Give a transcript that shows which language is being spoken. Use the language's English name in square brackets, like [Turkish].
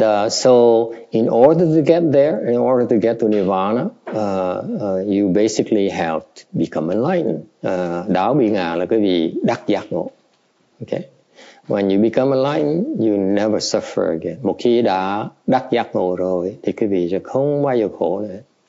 [English] So in order to get there, in order to get to Nirvana, you basically have to become enlightened. [Vietnamese] Đạo bị ngã là quý vị đắc giác ngộ. [English] Okay. When you become enlightened, you never suffer again. [Vietnamese] Một khi đã đắc giác ngộ rồi thì quý vị sẽ không bao giờ khổ nữa.